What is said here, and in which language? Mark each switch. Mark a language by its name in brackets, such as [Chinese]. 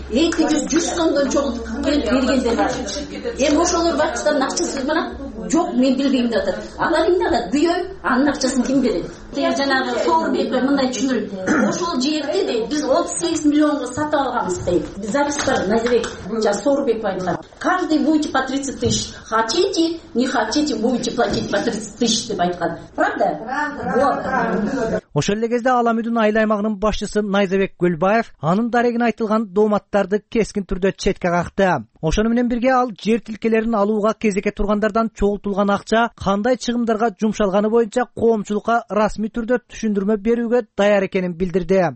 [Kyrgyz] 200-100 сомдон чогултуп бергенде бар. Эми ошолор бакчадан акчасыз мына жок, мен билбейм деп атат. Алар эмне кылат? Дүйөй, анын акчасын ким берет? Жанагы Сооронбекке мындай түшүндүрүп, ошол жерди дейт, биз 38 миллионго сатып алганбыз дейт. Биз записьтер Назирбек, жана Сооронбек айткан. [Russian] Каждый будете по 30 тысяч. Хотите, не хотите, будете платить по 30 тысяч [Kyrgyz] деп айткан. [Russian] Правда? Правда. [Kyrgyz] Ошол эле кезде Ала Мүдүн айыл аймагынын башчысы Найзабек Гөлбаев анын дарегине айтылган дооматтарды кескин түрдө четке какты. Ошону менен бирге ал жер тилкелерин алууга кезеке тургандардан чогултулган акча кандай чыгымдарга жумшалганы боюнча коомчулукка расмий түрдө түшүндүрмө берүүгө даяр экенин билдирди.